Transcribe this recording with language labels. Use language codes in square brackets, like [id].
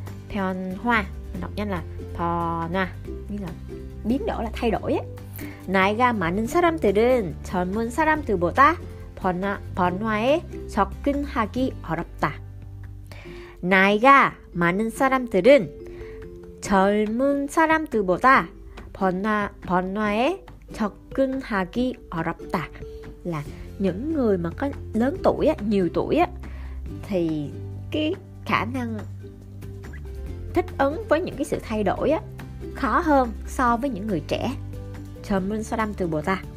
[vi] Pyeonhwa, mình đọc nhanh là Pyeonhwa, nghĩa là biến đổi là thay đổi á. [ko] 나이가 많은 사람들은 젊은 사람들보다 번화에 접근하기 어렵다. 나이가 많은 사람들은 젊은 사람들보다 번화에 접근하기 어렵다. [vi] Là những người mà có lớn tuổi á, nhiều tuổi á, thì cái khả năng thích ứng với những cái sự thay đổi á khó hơn so với những người trẻ. [ko] 젊은 사람들보다.